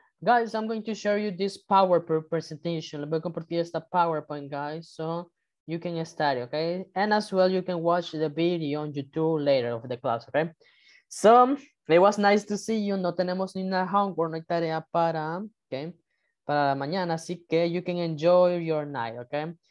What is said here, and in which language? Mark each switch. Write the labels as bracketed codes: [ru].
[en] Guys, I'm going to show you this PowerPoint presentation. Let me [es] compartir esta [en] PowerPoint, guys, so you can study, okay? And as well, you can watch the video on YouTube later of the class, okay? So it was nice to see you. [es] No tenemos ni una homework, no hay tarea para, okay, para la mañana. Así que [en] you can enjoy your night, okay?